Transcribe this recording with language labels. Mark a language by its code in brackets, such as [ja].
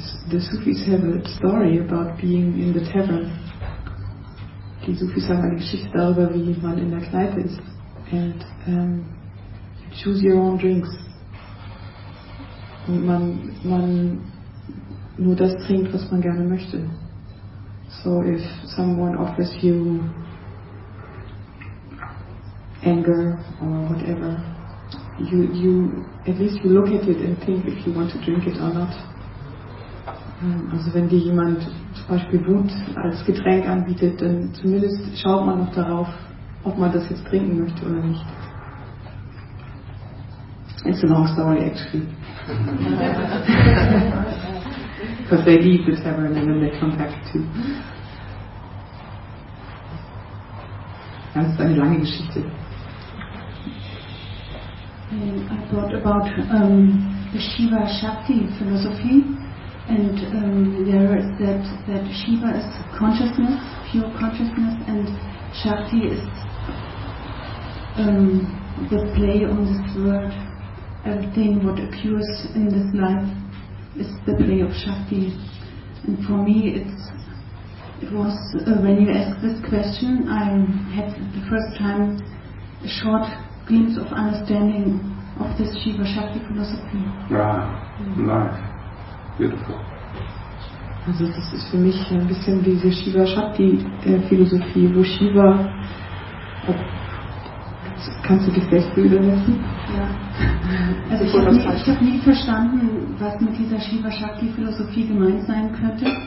[en] The Sufis have a story about being in the tavern. [de] Die Sufis haben eine Geschichte darüber, wie man in der Kneipe ist. [en] And you choose your own drinks. [de] Und man nur das trinkt, was man gerne möchte. [en] So if someone offers you anger or whatever, you at least you look at it and think if you want to drink it or not. [de] Also wenn dir jemand zum Beispiel Wut als Getränk anbietet, dann zumindest schaut man noch darauf, ob man das jetzt trinken möchte oder nicht. [en] It's a long story actually. Because they leave the tavern and then they come back to. [de] Ja, das ist eine lange Geschichte. [en] I thought about the Shiva Shakti philosophy. And there is that Shiva is consciousness, pure consciousness, and Shakti is the play on this word. Everything what occurs in this life is the play of Shakti. And for me, it was when you asked this question, I had the first time a short glimpse of understanding of this Shiva Shakti philosophy. Nice. Beautiful. [de] Also das ist für mich ein bisschen diese Shiva-Shakti-Philosophie, wo Shiva, kannst du dich selbst überlassen? Ja. Also ich hab nie verstanden, was mit dieser Shiva-Shakti-Philosophie gemeint sein könnte.